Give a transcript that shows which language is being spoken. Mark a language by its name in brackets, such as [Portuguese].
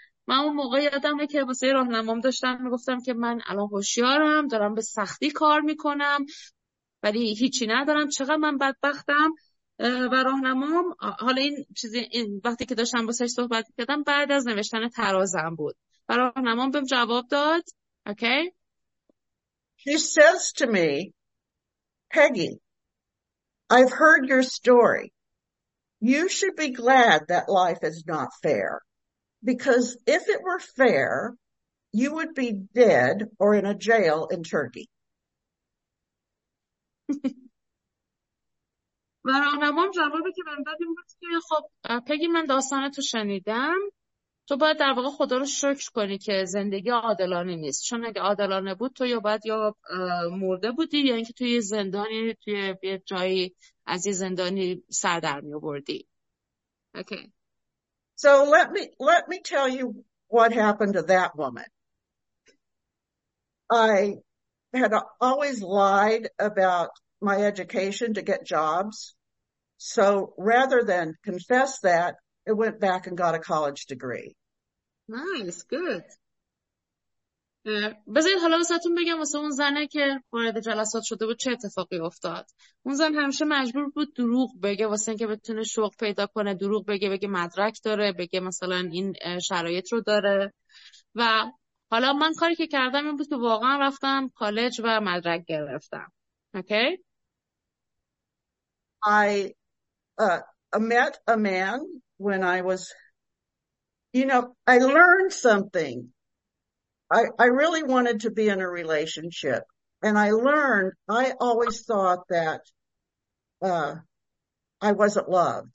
[Persian] من اون موقع یادمه که واسه راهنمام داشتم میگفتم که من الان هوشیارم، دارم به سختی کار میکنم ولی هیچی ندارم، چقدر من بدبختم. و راهنمام حالا این چیزی این وقتی که داشتم باهاش صحبت کردم بعد از نوشتن ترازم بود، راهنمام بهم جواب داد. [English] Okay. She says to me, Peggy, I've heard your story. You should be glad that life is not fair, because if it were fair, you would be dead or in a jail in Turkey. [Persian] و راهنمام جوابی که من دادم بود که خب پگی، من داستانتو شنیدم، تو باید در واقع خدا رو شکر کنی که زندگی عادلانه نیست، چون اگه عادلانه بود تو یا باید یا مرده بودی یا اینکه توی زندانی توی یه جایی از یه زندانی سر در می آوردی. [English] Okay. So let me tell you what happened to that woman. I had always lied about my education to get jobs. So rather than confess that, it went back and got a college degree. Nice, good. [Persian] بذارید حالا واسهتون بگم واسه اون زنه که وارد جلسات شده بود چه اتفاقی افتاد. اون زن همیشه مجبور بود دروغ بگه واسه اینکه بتونه شغل پیدا کنه، دروغ بگه، بگه مدرک داره، بگه مثلا این شرایط رو داره. و حالا من کاری که کردم این بود که واقعا رفتم کالج و مدرک گرفتم. اوکی. [English] I I met a man when I was, I learned something. I really wanted to be in a relationship, and I learned, I always thought that I wasn't loved.